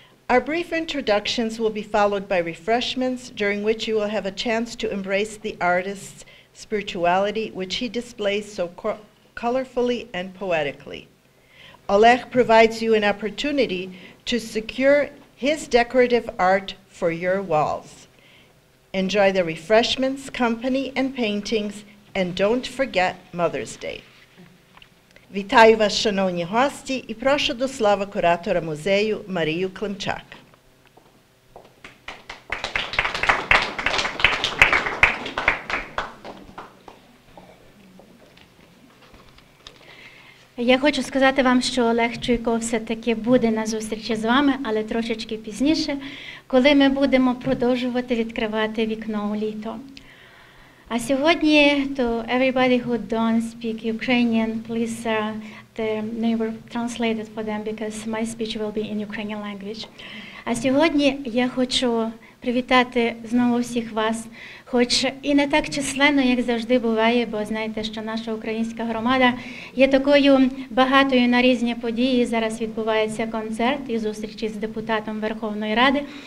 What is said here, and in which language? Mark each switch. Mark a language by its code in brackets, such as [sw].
[en] Our brief introductions will be followed by refreshments, during which you will have a chance to embrace the artist's spirituality, which he displays so colorfully and poetically. Oleg provides you an opportunity to secure his decorative art for your walls. Enjoy the refreshments, company, and paintings, and don't forget Mother's Day. [uk] Вітаю вас, шановні гості, і прошу до слова куратора музею Марію Климчак. Я хочу сказати вам, що Олег Чуйко все-таки буде на зустрічі з вами, але трошечки пізніше, коли ми будемо продовжувати відкривати вікно у літо. А сьогодні, [en] to everybody who don't speak Ukrainian, please, the neighbor translate it for them, because my speech will be in Ukrainian language. [uk] А сьогодні я хочу привітати знову всіх вас, хоч і не так численно, як завжди буває, бо знаєте, що наша українська громада є такою багатою на різні події. Зараз відбувається концерт і зустрічі з депутатом Верховної Ради.